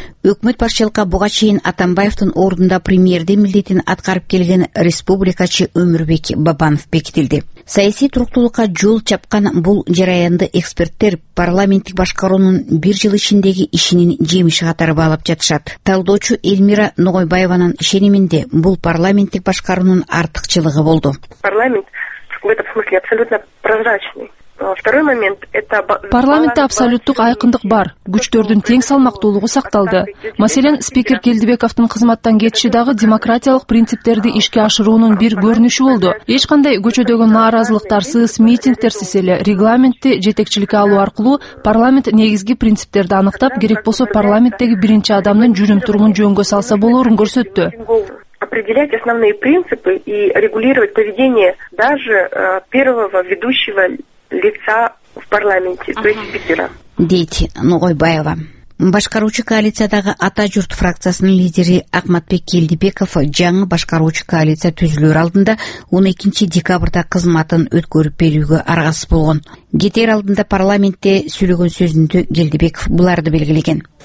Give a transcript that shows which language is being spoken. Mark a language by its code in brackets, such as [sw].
[ky] Өкмөт башчылыкка буга чейин Атамбаевдин ордунда премьердин милдетин аткарып келген республикачы Өмүрбек Бабанов бекитилди. Саясий туруктуулукка жол чапкан бул жараянды эксперттер парламенттик башкаруунун бир жыл ичиндеги ишинин жемиши катары баалап жатышат. Талдоочу Элмира Ногойбаеванын ишениминде бул парламенттик башкаруунун артыкчылыгы болду. [ru] Парламент в этом смысле абсолютно прозрачный. Второй момент это [ky] парламентте абсолюттук айкындык бар. Күчтөрдүн тең салмактуулугу сакталды. Маселен, спикер Келдибековдун кызматтан кетиши дагы демократиялык принциптерди ишке ашыруунун бир көрүнүшү болду. Эч кандай көчөдөгү нааразылыктарсыз, митингтерсиз эле регламентти жетекчилике алуу аркылуу парламент негизги принциптерди аныктап, керек болсо парламенттеги биринчи адамдын жүрүм-турумун жөнгө салса болорун көрсөттү. [ru] Определять основные принципы и регулировать поведение даже первого ведущего лица в парламенте, то есть спикера. [ky] Дети, Ногойбаева. Башкаруучу коалициядагы Атажурт фракциясынын лидери Акматбек Келдибеков жаңы башкаруучу коалиция түзүлөр алдында 12 декабрда кызматын өткөрүп берүүгө аргасыз болгон. Кетер алдында парламентте сүйлөгөн сөзүндө Келдибеков буларды белгилеген.